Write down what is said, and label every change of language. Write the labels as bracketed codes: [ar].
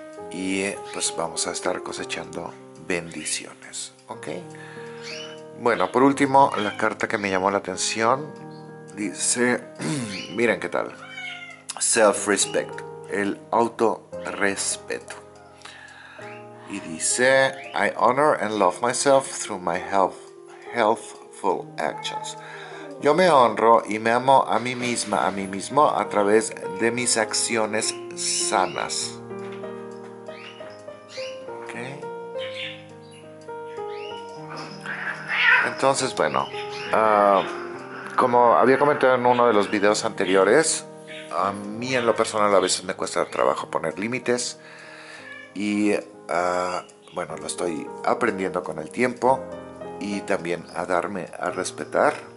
[es] Y pues vamos a estar cosechando bendiciones, ¿ok? Bueno, por último, la carta que me llamó la atención dice, miren qué tal, self-respect, el autorrespeto. Y dice, [en] I honor and love myself through my healthful actions. [es] Yo me honro y me amo a mí misma, a mí mismo, a través de mis acciones sanas. Entonces, bueno, como había comentado en uno de los videos anteriores, a mí en lo personal a veces me cuesta trabajo poner límites y, bueno, lo estoy aprendiendo con el tiempo y también a darme a respetar.